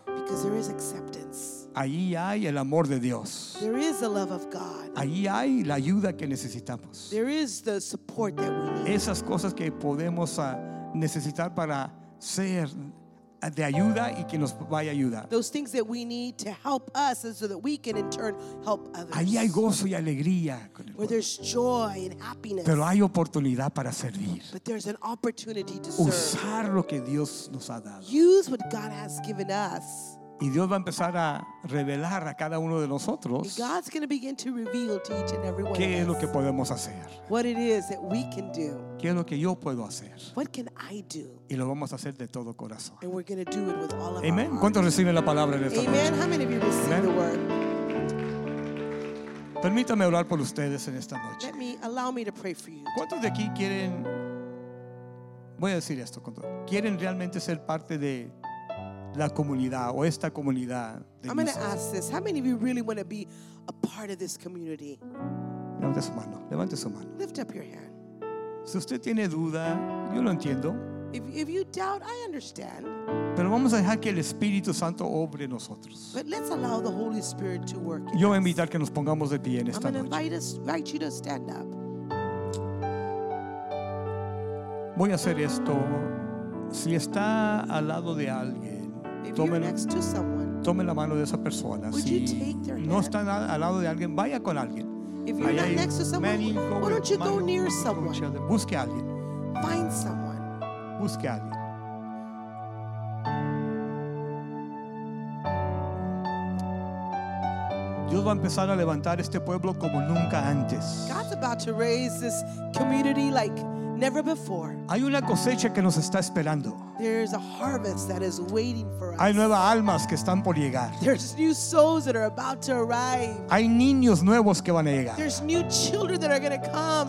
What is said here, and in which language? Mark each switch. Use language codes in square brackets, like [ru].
[en] Because there is acceptance. [es] Ahí hay el amor de Dios. [en] There is the love of God. [es] Ahí hay la ayuda que necesitamos. [en] There is the support that we need. [es] Esas cosas que podemos necesitar para ser de ayuda y que nos vaya a ayudar. [en] Those things that we need to help us so that we can in turn help others. [es] Ahí hay gozo y alegría. [en] Where there's joy and happiness. [es] Pero hay oportunidad para servir. [en] But there's an opportunity to [es] serve. Usar lo que Dios nos ha dado. [en] Use what God has given us. [es] Y Dios va a empezar a revelar a cada uno de nosotros qué es lo que podemos hacer. [en] What it is that we can do. [es] Qué es lo que yo puedo hacer. [en] What can I do? [es] Y lo vamos a hacer de todo corazón. [en] And we're going to do it with all of our [es] hearts. Amen. ¿Cuántos reciben la palabra en esta [en] noche? Amen. How many of you receive the word? [es] Permítame orar por ustedes en esta noche. [en] Let me allow me to pray for you. [es] ¿Cuántos de aquí quieren? Voy a decir esto con todo. ¿Quieren realmente ser parte de la comunidad o esta comunidad de [en] I'm going to ask this. How many of you really want to be a part of this community? [es] Levante su mano. [en] Lift up your hand. [es] Si usted tiene duda, yo lo entiendo. [en] If you doubt, I understand. [es] Pero vamos a dejar que el Espíritu Santo obre nosotros. [en] But let's allow the Holy Spirit to work in [es] us. Yo voy a invitar que nos pongamos de pie en esta noche. [en] I'm going to invite you to stand up. [es] Voy a hacer esto. Si está al lado de alguien, tome la mano de esa persona. [en] Would [es] si no está al lado de alguien, vaya con alguien. [en] If you're not next to someone, why don't you go near someone? [es] Busque a alguien. [en] Find someone. [es] Busque a alguien. Dios va a empezar a levantar este pueblo como nunca antes. [en] God's about to raise this community like never before. [es] Hay una cosecha que nos está esperando. [en] There's a harvest that is waiting for us. [es] Hay nuevas almas que están por llegar. [en] There's new souls that are about to arrive. [es] Hay niños nuevos que van a llegar. [en] There's new children that are going to come.